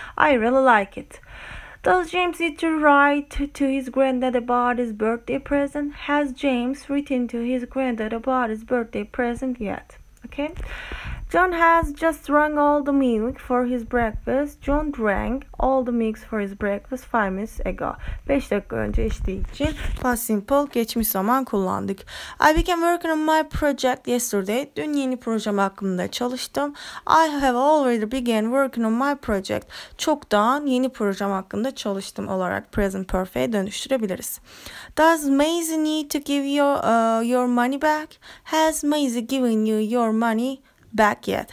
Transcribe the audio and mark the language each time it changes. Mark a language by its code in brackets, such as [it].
[en] I really like it. Does James need to write to his granddad about his birthday present? Has James written to his granddad about his birthday present yet? Okay. John has just drank all the milk for his breakfast. John drank all the milk for his breakfast 5 minutes ago. [tr] 5 dakika önce içtiği için past simple geçmiş zaman kullandık. [en] I began working on my project yesterday. [tr] Dün yeni projem hakkında çalıştım. [en] I have already began working on my project. [tr] Çoktan yeni projem hakkında çalıştım olarak present perfect'e dönüştürebiliriz. [en] Does Maisie need to give you your money back? Has Maisie given you your money back yet?